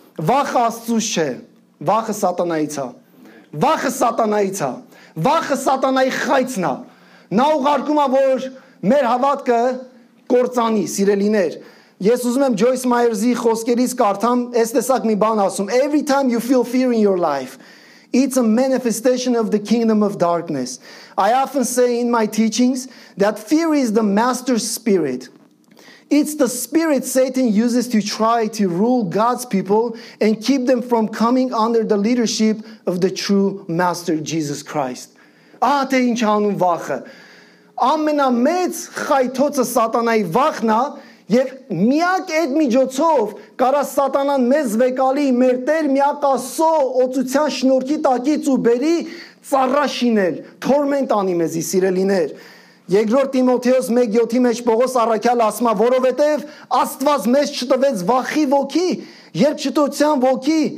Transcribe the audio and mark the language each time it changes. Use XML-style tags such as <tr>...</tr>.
<hy>Վախը Աստծուց չէ, վախը սատանայից է, վախը սատանայից է, վախը սատանայի խայցն է, նա ուղարկում է, որ մեր հավատքը կործանի, սիրելիներ։ Ես ուզում եմ Ջոյս Մայերզի խոսքերից կարդամ, այս տեսակ մի բան ասում.</hy> <en>Every time you feel fear in your life, it's a manifestation of the kingdom of darkness. I often say in my teachings that fear is the master spirit. It's the spirit Satan uses to try to rule God's people and keep them from coming under the leadership of the true master, Jesus Christ.</en> <hy>Ահա թե ինչ անում վախը։ Ամենամեծ խայթոցը սատանայի վախն է, և միակ այդ միջոցով կարա սատանան մեզ վեկալի մեր տեր միակ Աստծո օծության շնորհքի տակից ու բերի ծառաշինել, թորմենտ անի մեզի, սիրելիներ։ Երկրորդ Տիմոթեոս 1:7-ի մեջ Պողոս առաքյալ ասում է, որովհետև Աստված մեզ չտվեց վախի ոգի, երկչտության ոգի,</hy>